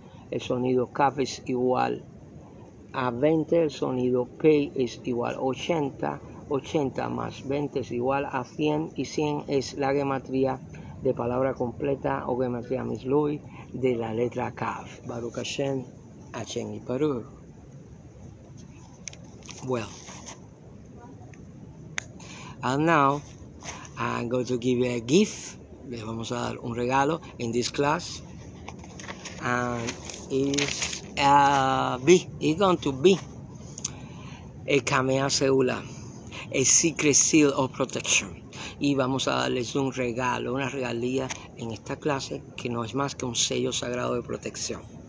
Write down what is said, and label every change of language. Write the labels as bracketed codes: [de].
[es] El sonido Kaf es igual a 20, el sonido Pei es igual a 80. 80 más 20 es igual a 100, y 100 es la gematría de palabra completa o gematría mislui de la letra Kaf. [he] Baruch Hashem, Hashem y Baruch. [en] Well, and now I'm going to give you a gift. [es] Les vamos a dar un regalo [en] in this class. And it's going to be a Kamea Seula, a secret seal of protection. [es] Y vamos a darles un regalo, una regalía en esta clase, que no es más que un sello sagrado de protección.